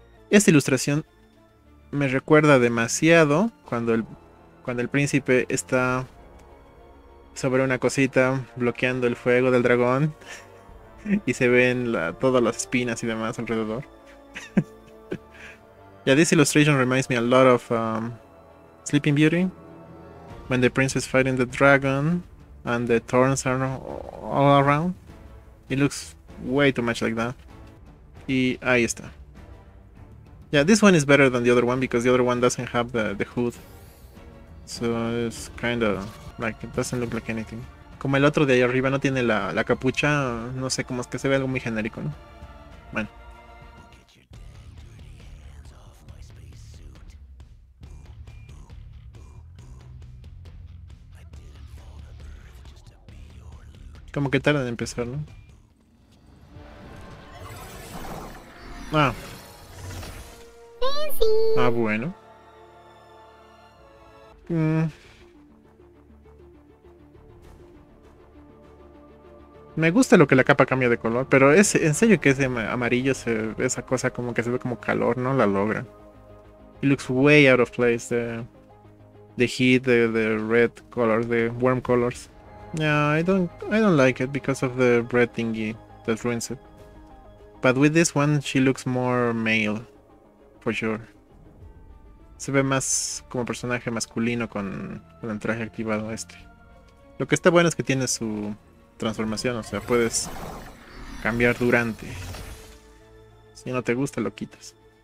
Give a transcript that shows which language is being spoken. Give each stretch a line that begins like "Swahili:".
Spanish: Esta ilustración me recuerda demasiado cuando el príncipe está sobre una cosita bloqueando el fuego del dragón y se ven todas las espinas y demás alrededor.
English: Yeah, this illustration reminds me a lot of Sleeping Beauty, when the prince is fighting the dragon and the thorns are all around. It looks way too much like that.
Spanish: Y ahí está.
English: Yeah, this one is better than the other one because the other one doesn't have the hood. So it's kind of like, it doesn't look like anything.
Spanish: Como el otro de ahí arriba no tiene la capucha, no sé, como es que se ve algo muy genérico, ¿no? Bueno. Como que tarda en empezar, ¿no? Ah. Ah, bueno. Me gusta lo que la capa cambia de color, pero es en serio que ese amarillo, esa cosa como que se ve como calor, no la logra.
English: It looks way out of place, the heat, the red color, the warm colors. Yeah, I don't like it because of the red thingy that ruins it. But with this one, she looks more male, for sure.
Spanish: Se ve más como personaje masculino con el traje activado este. Lo que está bueno es que tiene su transformación, o sea, puedes cambiar durante. Si no te gusta, lo quitas.